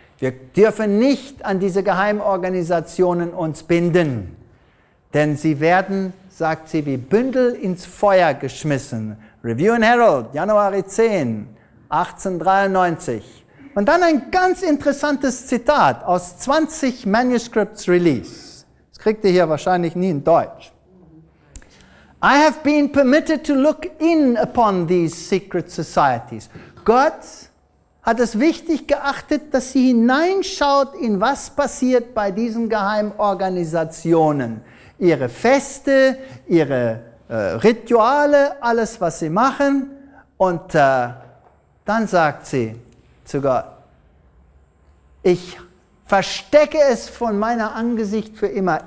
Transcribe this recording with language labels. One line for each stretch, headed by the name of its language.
German: Wir dürfen nicht an diese Geheimorganisationen uns binden, denn sie werden, sagt sie, wie Bündel ins Feuer geschmissen. Review and Herald, Januar 10, 1893. Und dann ein ganz interessantes Zitat aus 20 Manuscripts Release. Das kriegt ihr hier wahrscheinlich nie in Deutsch.
English: I have been permitted to look in upon these secret societies.
German: Gott hat es wichtig geachtet, dass sie hineinschaut, in was passiert bei diesen Geheimorganisationen. Ihre Feste, ihre Rituale, alles, was sie machen. Und dann sagt sie zu Gott, ich verstecke es von meinem Angesicht für immer.